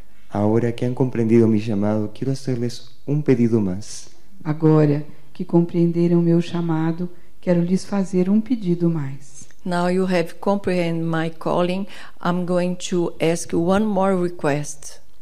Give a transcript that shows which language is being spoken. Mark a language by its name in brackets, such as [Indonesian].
[Spanish] Ahora que han comprendido mi llamado, quiero hacerles un pedido más. [Portuguese] Agora que compreenderam meu chamado, quero lhes fazer um pedido mais. [English] Now you have comprehended my calling, I'm going to ask one more request.